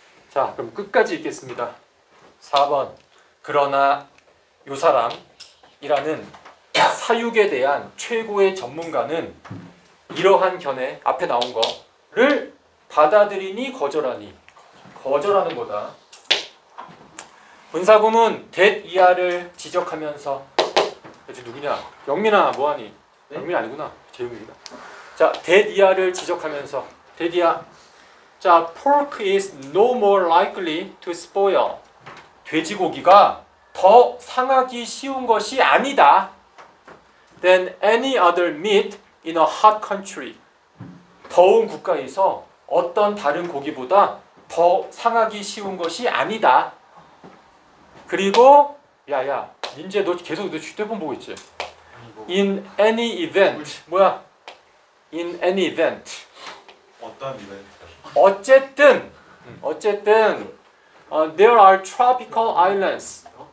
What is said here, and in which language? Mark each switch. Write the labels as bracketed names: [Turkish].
[Korean] 자, 그럼 끝까지 읽겠습니다. 4번. 그러나 요 사람이라는 사육에 대한 최고의 전문가는 이러한 견해 앞에 나온 거를 받아들이니 거절하니. 거절하는 거다. 문사구문 that 이하를 지적하면서. 이제 누구냐? 영민아, 뭐하니? 네? 영민 아니구나. 재영민이다. 자, 데디아를 지적하면서, 데디아. [English] 자, pork is no more likely to spoil. [Korean] 돼지고기가 더 상하기 쉬운 것이 아니다. [English] than any other meat in a hot country. [Korean] 더운 국가에서 어떤 다른 고기보다 더 상하기 쉬운 것이 아니다. 그리고, 야야, 민재 너 계속 너 휴대폰 보고 있지? [English] In any event, 뭐야? In any event. [Korean] 어떤 이벤트? [English] 어쨌든, 어쨌든, there are tropical islands.